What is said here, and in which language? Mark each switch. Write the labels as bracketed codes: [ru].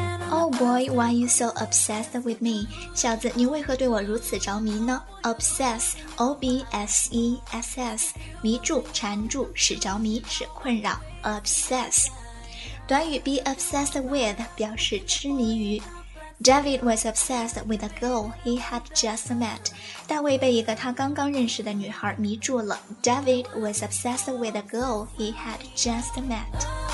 [en] Oh boy, why are you so obsessed with me? [zh] 小子，你为何对我如此着迷呢？ Obsess, O-B-S-E-S-S, 迷住、缠住、使着迷、使困扰。Obsess. 短语 [en] be obsessed with [zh] 表示痴迷于。 [en] David was obsessed with a girl he had just met. [zh] 大卫被一个他刚刚认识的女孩迷住了。 [en] David was obsessed with a girl he had just met.